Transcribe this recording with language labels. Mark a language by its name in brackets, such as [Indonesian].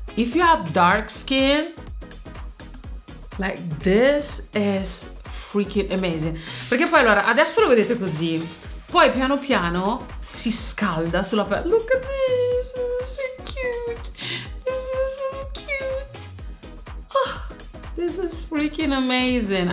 [English] If you have dark skin, like this is freaking amazing. [Italian] Perché poi allora, adesso lo vedete così, poi piano piano si scalda sulla pelle. [English] Look at this, this is so cute. Oh, this is freaking amazing.